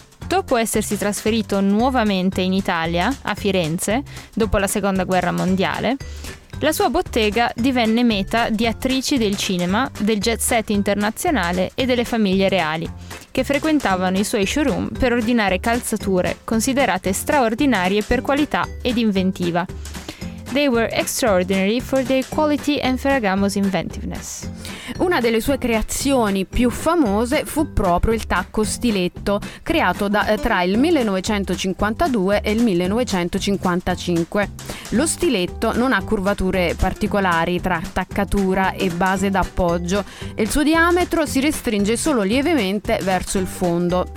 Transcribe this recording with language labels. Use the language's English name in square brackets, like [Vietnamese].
[Italian] dopo essersi trasferito nuovamente in Italia, a Firenze, dopo la Seconda Guerra Mondiale, la sua bottega divenne meta di attrici del cinema, del jet set internazionale e delle famiglie reali, che frequentavano i suoi showroom per ordinare calzature considerate straordinarie per qualità ed inventiva. [English] They were extraordinary for their quality and Ferragamo's inventiveness. [Italian] Una delle sue creazioni più famose fu proprio il tacco stiletto, creato tra il 1952 e il 1955. Lo stiletto non ha curvature particolari tra attaccatura e base d'appoggio e il suo diametro si restringe solo lievemente verso il fondo.